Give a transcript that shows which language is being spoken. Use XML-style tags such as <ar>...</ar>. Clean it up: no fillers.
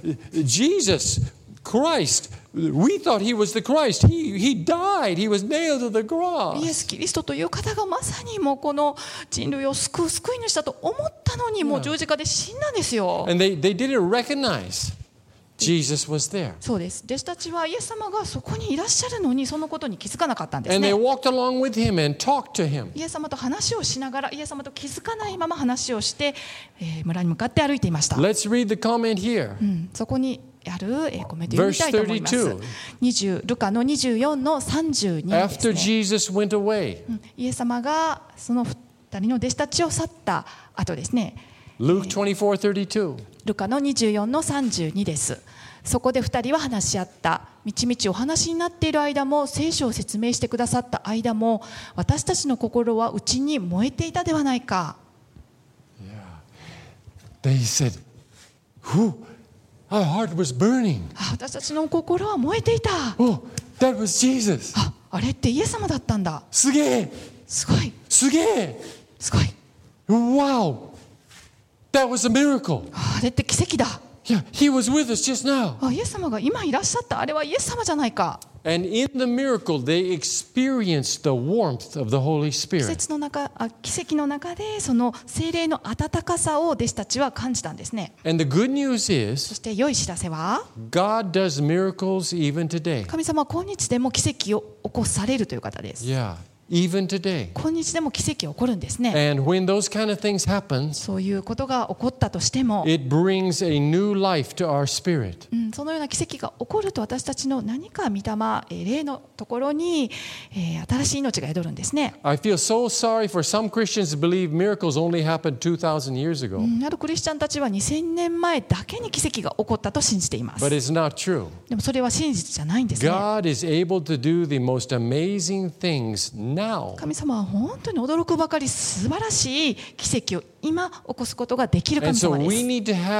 <en>Jesus Christ, we thought he was the Christ. He died. He was nailed to the cross.</en> <ja>イエスキリストという方がまさにもうこの人類を救う救い主だと思ったのにもう十字架で死んだんですよ。</ja> <en>And they didn't recognize Jesus was there.</en> <ja>そうです。弟子たちはイエス様がそこにいらっしゃるのにそのことに気づかなかったんですね。</ja> <en>And they walked along with him and talked to him.</en> <ja>イエス様と話をしながらイエス様と気づかないまま話をして村に向かって歩いていました。</ja> <en>Let's read the comment here.</en> <ja>そこにあるコメントを読みたいと思います。ルカの24の32ですね。</ja> <en>After Jesus went away,</en> <ja>イエス様がその二人の弟子たちを去った後ですね。</ja> <en>Luke 24:32。</en> <ja>ルカの24の32です。そこで二人は話し合った。みちみちお話になっている間も、聖書を説明してくださった間も、私たちの心は内に燃えていたではないか。</ja> <en>Yeah. They said, "Who?" Our heart was burning.</en> <ja>私たちの心は燃えていた。</ja> <en>Oh, that was Jesus.</en> <ja>あれってイエス様だったんだ。すげえ。すごい。すげえ。すごい。</ja> <en>Wow. That was a miracle.</en> <ja>あれって奇跡だ。</ja> <en>Yeah, he was with us just now.</en> <ja>イエス様が今いらっしゃった。あれはイエス様じゃないか。</ja> <en>And in the miracle, they experienced the warmth of the Holy Spirit.</en> <ja>奇跡の中でその聖霊の温かさを弟子たちは感じたんですね。</ja> <en>And the good news is,</en> <ja>そして良い知らせは、</ja> <en>God does miracles even today.</en> <ja>神様は今日でも奇跡を起こされるという方です。</ja> <en>Yeah. Even today.</en> <ja>今日でも奇跡起こるんですね。</ja> <en>And when those kind of things happen,</en> <ja>そういうことが起こったとしても、</ja> <en>it brings a new life to our spirit.</en> <ja>そのような奇跡が起こると私たちの何か御霊、霊のところに、新しい命が宿るんですね。</ja> <en>I feel so sorry for some Christians who believe miracles only happened 2,000 years ago.</en> <ja>あるクリスチャンたちは2000年前だけに奇跡が起こったと信じています。</ja> <en>But it's not true.</en> <ja>でもそれは真実じゃないんですね。</ja> <en>God is able to do the most amazing things.</en> <ja>神様は本当に驚くばかり素晴らしい奇跡を今起こすことができる神様です。</ja>